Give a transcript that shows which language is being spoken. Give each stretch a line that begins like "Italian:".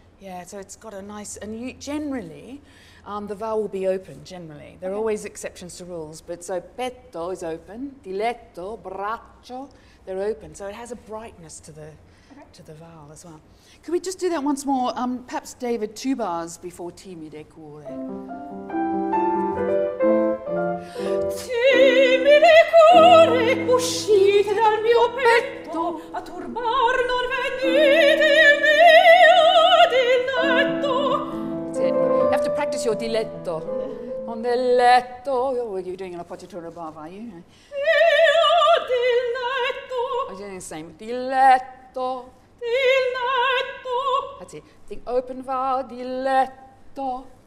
English: Yeah, so it's got a nice, and you, generally, the vowel will be open, generally. There are always exceptions to rules, but so petto is open, diletto, braccio, they're open. So it has a brightness to the vowel as well. Could we just do that once more? Perhaps David, two bars before timide cuore.
Italian: Timide cuore, uscite dal mio petto, a turbar non venite il mio diletto.
English: That's it. You have to practice your diletto. On the letto. Oh, well, you're doing an appoggiatura above, are you?
Italian: Io diletto.
English: I'm doing the same. Diletto.
Italian: Diletto.
English: That's it. Think open vowel, diletto.